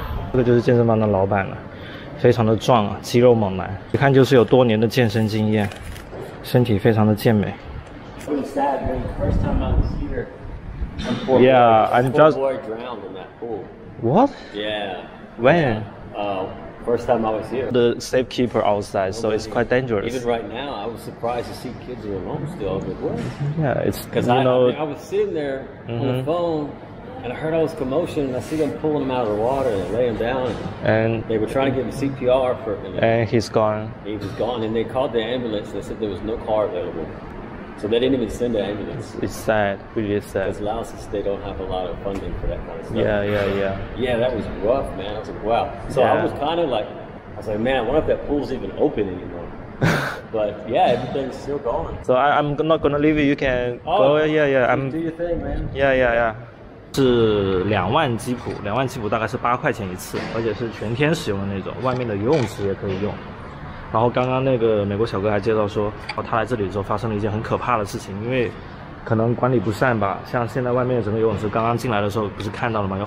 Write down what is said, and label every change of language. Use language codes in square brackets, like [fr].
[zh] 这个就是健身房的老板了，非常的壮啊，肌肉猛男，一看就是有多年的健身经验，身体非常的健美。 [en] Oh, sad when the first time I was here. Yeah, boy, I'm just. Boy drowned in that pool. What? Yeah. When? First time I was here. The safe keeper outside, so it's quite dangerous. Even right now, I was surprised to see kids are alone still. I was like, what? Yeah, it's. Because I was sitting there on the phone. And I heard all this commotion, and I see them pulling him out of the water and laying him down. And they were trying to give him CPR for a minute. And he's gone. He was gone, and they called the ambulance, and they said there was no car available. So they didn't even send the ambulance. It's sad, really sad. Because Laos, they don't have a lot of funding for that kind of stuff. Yeah. Yeah, that was rough, man. I was like, wow. So yeah. I was like, man, I wonder if that pool's even open anymore. But yeah, everything's still gone. So I'm not going to leave you. You can go. Do your thing, man. Yeah. [zh] 是两万基普，两万基普大概是8块钱一次，而且是全天使用的那种，外面的游泳池也可以用。然后刚刚那个美国小哥还介绍说，他来这里的时候发生了一件很可怕的事情，因为可能管理不善吧，像现在外面的整个游泳池，刚刚进来的时候不是看到了吗？